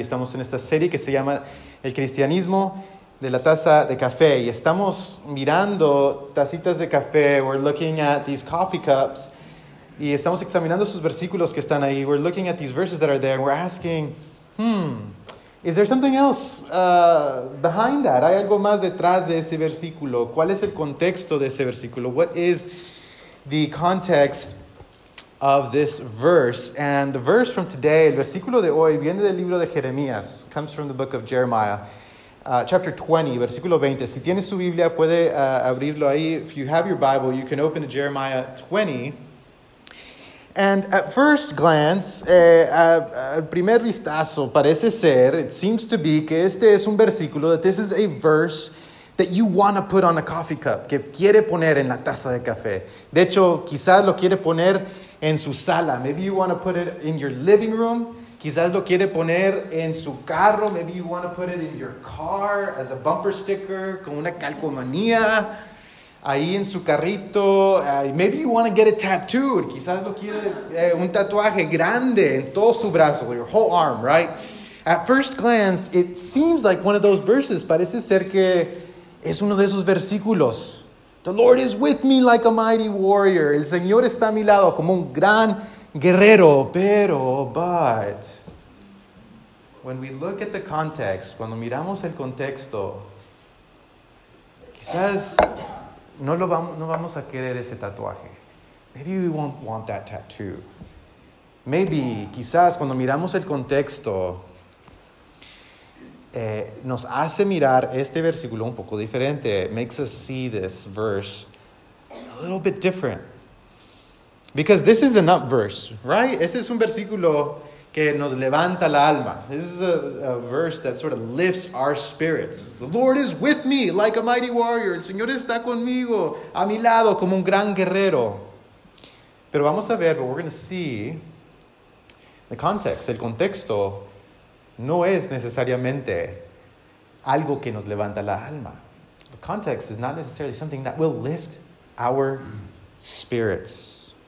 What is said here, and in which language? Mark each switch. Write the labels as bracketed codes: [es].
[es] Estamos en esta serie que se llama El Cristianismo de la Taza de Café. Y estamos mirando tacitas de café. [en] We're looking at these coffee cups. [es] Y estamos examinando sus versículos que están ahí. [en] We're looking at these verses that are there. And we're asking, is there something else behind that? [es] ¿Hay algo más detrás de ese versículo? ¿Cuál es el contexto de ese versículo? [en] What is the context of this verse? And the verse from today, [es] el versículo de hoy, viene del libro de Jeremías. [en] Comes from the book of Jeremiah, chapter 20, [es] versículo 20. Si tiene su Biblia, puede abrirlo ahí. [en] If you have your Bible, you can open to Jeremiah 20. And at first glance, [es] al primer vistazo, parece ser, [en] it seems to be, [es] que este es un versículo, [en] that this is a verse that you want to put on a coffee cup, [es] que quiere poner en la taza de café. De hecho, quizás lo quiere poner en su sala. [en] Maybe you want to put it in your living room. [es] Quizás lo quiere poner en su carro. [en] Maybe you want to put it in your car as a bumper sticker, [es] con una calcomanía. Ahí en su carrito, [en] maybe you want to get it tattooed. [es] Quizás lo quiere un tatuaje grande en todo su brazo, [en] your whole arm, right? At first glance, it seems like one of those verses. [es] Parece ser que es uno de esos versículos. [en] The Lord is with me like a mighty warrior. [es] El Señor está a mi lado como un gran guerrero. [en] But when we look at the context, [es] cuando miramos el contexto, quizás no vamos a querer ese tatuaje. [en] Maybe we won't want that tattoo. Maybe, [es] quizás, cuando miramos el contexto, nos hace mirar este versículo un poco diferente. [en] Makes us see this verse a little bit different. Because this is an up verse, right? [es] Este es un versículo que nos levanta la alma. [en] This is a verse that sort of lifts our spirits. The Lord is with me like a mighty warrior. [es] El Señor está conmigo, a mi lado, como un gran guerrero. Pero vamos a ver, [en] but we're going to see the context. [es] El contexto no es necesariamente algo que nos levanta la alma. [en] The context is not necessarily something that will lift our spirits.